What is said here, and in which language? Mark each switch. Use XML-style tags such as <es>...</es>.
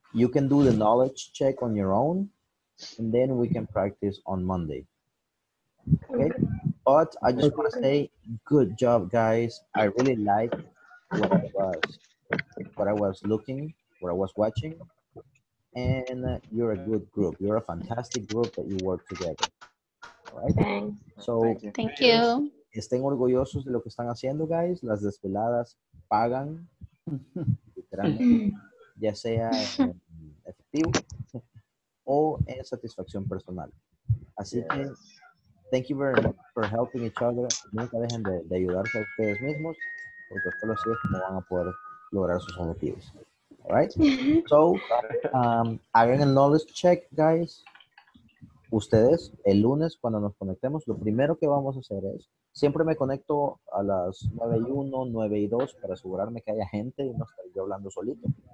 <en>You can do the knowledge check on your own, and then we can practice on Monday. Okay? But I just want to say, good job, guys. I really like what I was watching. And you're a good group. You're a fantastic group that you work together. All right? Thanks. So, Thank you.</en> <es>Estén orgullosos de lo que están haciendo, guys. Las desveladas pagan, literalmente, ya sea en efectivo o en satisfacción personal. Así que,</es> <en>thank you very much for helping each other.</en> <es>Nunca dejen de ayudarse a ustedes mismos, porque solo así es como van a poder lograr sus objetivos.</es> <en>All right?</en> <es>So, hagan el knowledge check, guys. Ustedes, el lunes, cuando nos conectemos, lo primero que vamos a hacer es, siempre me conecto a las 9:01, 9:02 para asegurarme que haya gente y no estar yo hablando solito.</es>